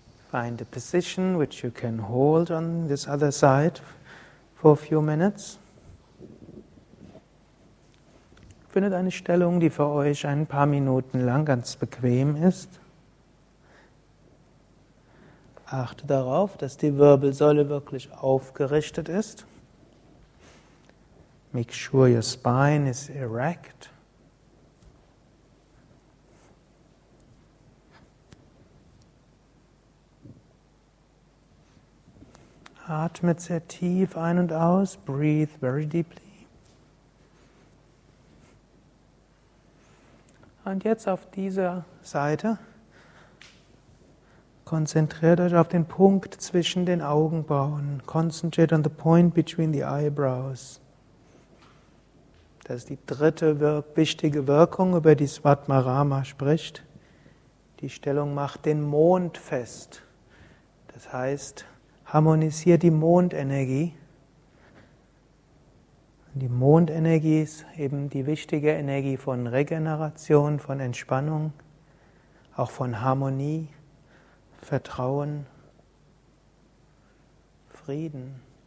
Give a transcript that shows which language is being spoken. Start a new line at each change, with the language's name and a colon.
English: Find a position which you can hold on this other side for a few minutes.
German: Findet eine Stellung, die für euch ein paar Minuten lang ganz bequem ist. Achte darauf, dass die Wirbelsäule wirklich aufgerichtet ist.
English: Make sure your spine is erect.
German: Atme sehr tief ein und aus.
English: Breathe very deeply.
German: Und jetzt auf dieser Seite konzentriert euch auf den Punkt zwischen den Augenbrauen.
English: Concentrate on the point between the eyebrows.
German: Das ist die dritte wichtige Wirkung, über die Svatmarama spricht. Die Stellung macht den Mond fest. Das heißt, harmonisiert die Mondenergie. Die Mondenergie ist eben die wichtige Energie von Regeneration, von Entspannung, auch von Harmonie, Vertrauen, Frieden.